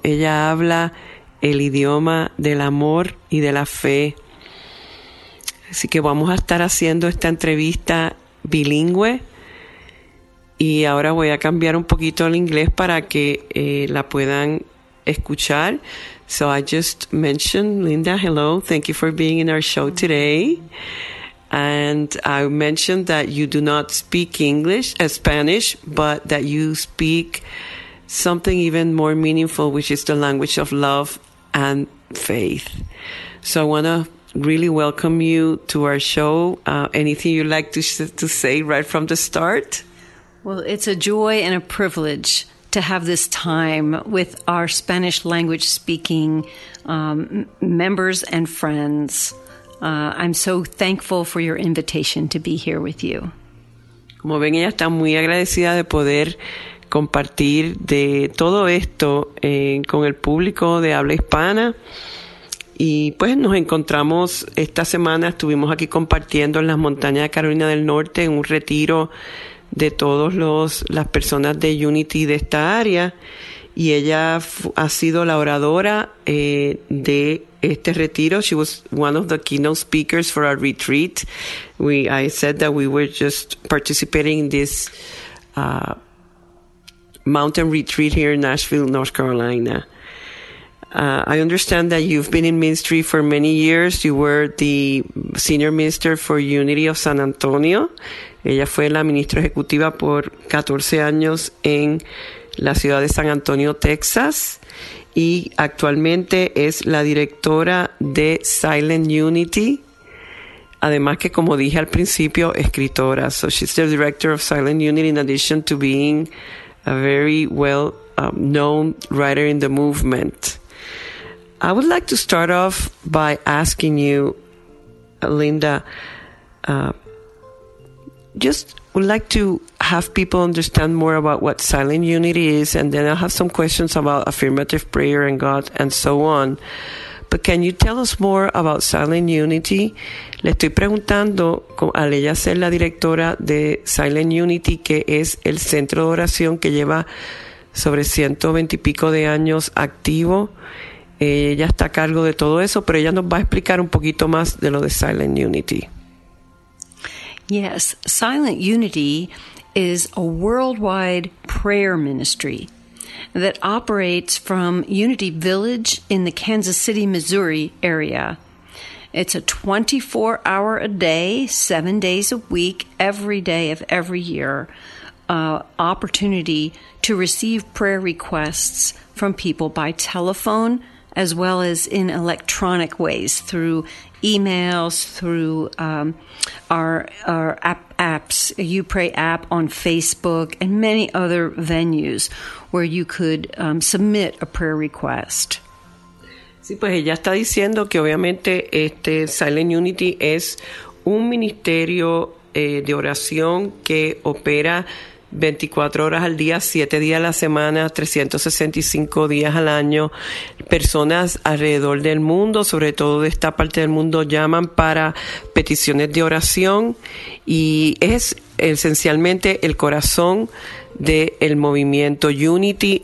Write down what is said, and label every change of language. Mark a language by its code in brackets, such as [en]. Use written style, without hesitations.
[es] Ella habla el idioma del amor y de la fe. Así que vamos a estar haciendo esta entrevista bilingüe. Y ahora voy a cambiar un poquito el inglés para que la puedan escuchar. [en] So I just mentioned, Linda, hello, thank you for being in our show today. And I mentioned that you do not speak English, Spanish, but that you speak something even more meaningful, which is the language of love and faith. So I want to really welcome you to our show. Anything you'd like to say right from the start? Well, it's a joy and a privilege to have this time with our Spanish language speaking members and friends. I'm so thankful for your invitation to be here with you. [es] Como ven, ella está muy agradecida de poder compartir de todo esto con el público de habla hispana. Y pues nos encontramos esta semana, estuvimos aquí compartiendo en las montañas de Carolina del Norte en un retiro de todos las personas de Unity de esta área. Y ella ha sido la oradora de este retiro. [en] She was one of the keynote speakers for our retreat. I said that we were just participating in this mountain retreat here in Nashville, North Carolina. I understand that you've been in ministry for many years. You were the senior minister for Unity of San Antonio. [es] Ella fue la ministra ejecutiva por 14 años en la ciudad de San Antonio, Texas, y actualmente es la directora de Silent Unity, además que, como dije al principio, escritora. [en] So she's the director of Silent Unity in addition to being a very well known writer in the movement. I would like to start off by asking you, Linda, just would like to have people understand more about what Silent Unity is, and then I'll have some questions about affirmative prayer and God and so on. But can you tell us more about Silent Unity? [es] Le estoy preguntando al ella ser la directora de Silent Unity, que es el centro de oración que lleva sobre 120 y pico de años activo. Ella está a cargo de todo eso, pero ella nos va a explicar un poquito más de lo de Silent Unity. [en] Yes, Silent Unity is a worldwide prayer ministry that operates from Unity Village in the Kansas City, Missouri area. It's a 24-hour a day, 7 days a week, every day of every year, opportunity to receive prayer requests from people by telephone, as well as in electronic ways, through emails, through our apps, YouPray app on Facebook, and many other venues where you could submit a prayer request. [es] Sí, pues ella está diciendo que obviamente este Silent Unity es un ministerio de oración que opera 24 horas al día, 7 días a la semana, 365 días al año. Personas alrededor del mundo, sobre todo de esta parte del mundo, llaman para peticiones de oración y es esencialmente el corazón del movimiento Unity.